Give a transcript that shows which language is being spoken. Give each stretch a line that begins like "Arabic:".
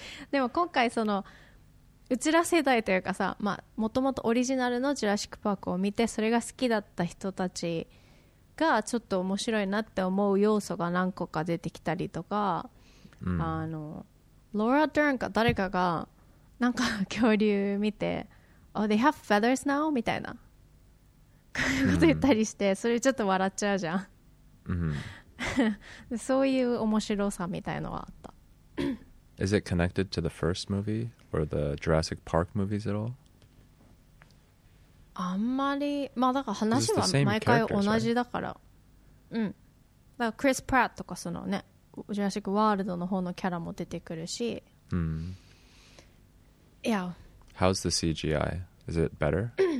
Japanese: でも今回そのうちら世代というかさ、まあもともとオリジナルのジュラシックパークを見てそれが好きだった人たちがちょっと面白いなって思う要素が何個か出てきたりとか、Laura Dern か誰かがなんか恐竜見て、
English: Oh, they have feathers now?
Japanese: みたいなこと言ったりして、それちょっと笑っちゃうじゃん。 Mm-hmm. そういう面白さみたいのはあった。
English: Is it connected to the first movie or the Jurassic Park movies at all?
Japanese: あんまり、まあだから話は毎回同じだから。
English: Right?
Japanese: うん。だからクリス・プラットとかそのね、Jurassic World の方のキャラも出てくるし。 Mm-hmm.
English: Yeah. How's the CGI? Is it better?